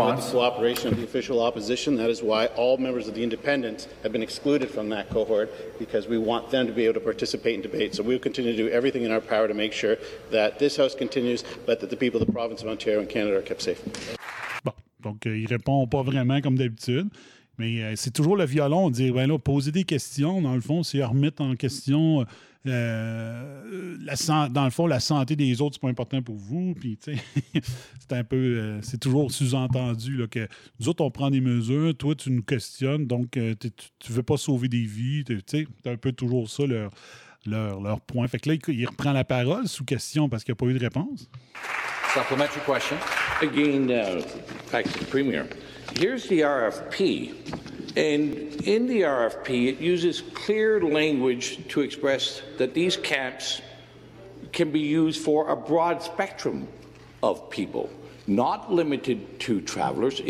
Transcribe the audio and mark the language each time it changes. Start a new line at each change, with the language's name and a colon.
English: And with the cooperation of the official opposition, that is why all members of the Independents have been excluded from that cohort, because we want them to be able to participate in debate. So we will continue to do everything in our power to make sure that this House continues, but that the people of the province of Ontario and Canada are kept safe.
French: Donc, il répond pas vraiment comme d'habitude. Mais c'est toujours le violon, dire, ben là, poser des questions, dans le fond, c'est remettre en question, la santé des autres, c'est pas important pour vous. Puis, tu sais, c'est toujours sous-entendu là, que nous autres, on prend des mesures, toi, tu nous questionnes, donc tu veux pas sauver des vies. Tu sais, c'est un peu toujours ça, leur point. Fait que là, il reprend la parole sous question parce qu'il n'y a pas eu de réponse.
English: Supplementary question. Again, back to the Premier. Here's the RFP, and in the RFP, it uses clear language to express that these camps can be used for a broad spectrum of people, not limited to travelers.